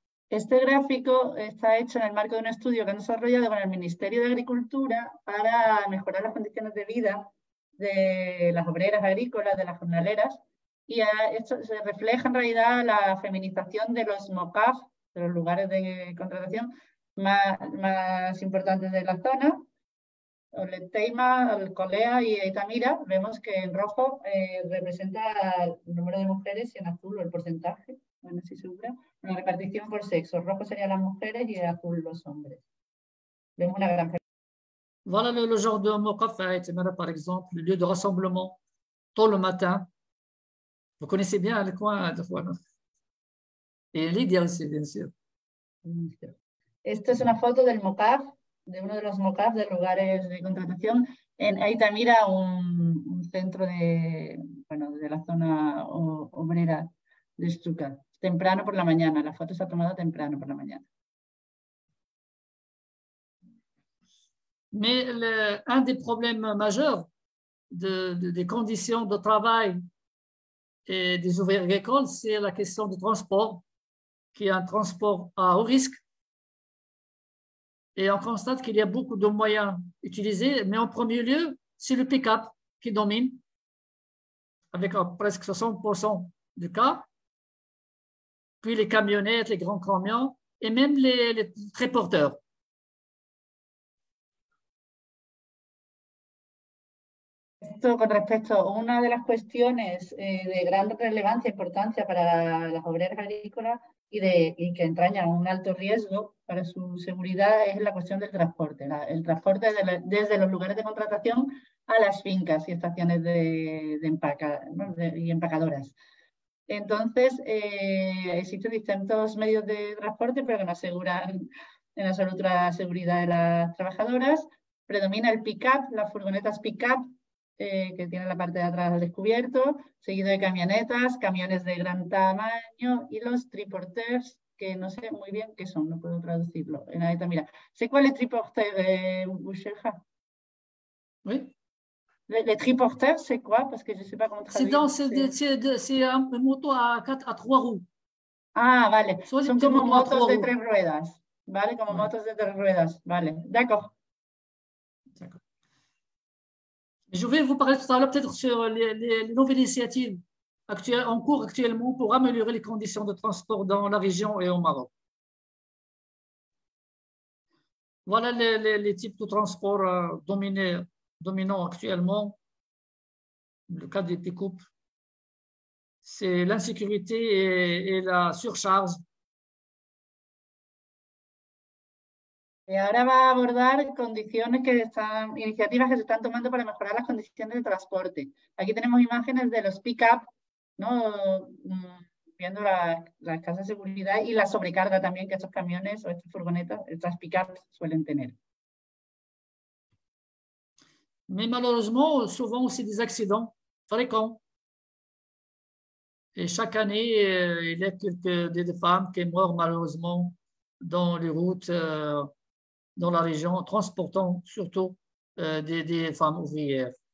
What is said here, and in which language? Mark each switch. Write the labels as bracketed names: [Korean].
[Spanish] Este gráfico está hecho en el marco de un estudio que han desarrollado con el Ministerio de Agricultura para mejorar las condiciones de vida de las obreras agrícolas, de las jornaleras, y esto se refleja en realidad la feminización de los MOCAF, de los lugares de contratación más importantes de la zona, el Teima, el Colea y Itamira. Vemos que en rojo representa el número de mujeres y en azul el porcentaje. Bueno, sí, seguro. Una repartición por sexo. Rojo serían las mujeres y azul los hombres. Vemos una gran. [French] Voilà le genre de mokaf à Itamira, par exemple, le lieu de rassemblement tôt le matin. Vous connaissez bien le coin de Juana. Et Lydia aussi, bien sûr. [Spanish] Esta es una foto del MOCAF, de uno de los MOCAF, de lugares de contratación, en Altamira, un centro de, bueno, de la zona obrera de Stuttgart. Temprano por la mañana, la foto está tomada temprano por la mañana. [French] Mais le, un des problèmes majeurs de, des conditions de travail et des ouvriers agricoles, c'est la question du transport, qui est un transport à haut risque. Et on constate qu'il y a beaucoup de moyens utilisés, mais en premier lieu, c'est le pick-up qui domine, avec presque 60% du cas, puis les camionnettes, les grands camions, et même les triporteurs. [Spanish] Esto con respecto a una de las cuestiones de gran relevancia e importancia para las obreras agrícolas y que entraña un alto riesgo para su seguridad es la cuestión del transporte. El transporte desde los lugares de contratación a las fincas y estaciones y empacadoras. Entonces, existen distintos medios de transporte, pero que no aseguran en absoluto la seguridad de las trabajadoras. Predomina el pick-up, las furgonetas pick-up, que tiene la parte de atrás descubierto, seguido de camionetas, camiones de gran tamaño y los triporteurs, que no sé muy bien qué son, no puedo traducirlo. En ahí está, mira, ¿sé cuál es triporteur, Boucherja? [French] Oui. Les triporteurs, c'est quoi? Parce que je ne sais pas comment traduire. C'est un moto à trois roues. [Spanish] Ah, vale. Son como motos de tres ruedas. Vale, como motos de tres ruedas. Vale, [French] d'accord. Je vais vous parler tout à l'heure peut-être sur les nouvelles initiatives actuelles, en cours actuellement pour améliorer les conditions de transport dans la région et au Maroc. Voilà les types de transport dominants actuellement. Le cas des pick-up, c'est l'insécurité et la surcharge. [Spanish] Y ahora va a abordar condiciones que están, iniciativas que se están tomando para mejorar las condiciones de transporte. Aquí tenemos imágenes de los pick-up, ¿no? Viendo la escasa seguridad y la sobrecarga también que estos camiones o estas furgonetas, estas pick-up suelen tener. [French] Mais malheureusement, souvent aussi des accidents fréquents. Et chaque année, il y a quelques femmes qui meurent malheureusement dans les routes. Dans la région, transportant surtout des femmes ouvrières.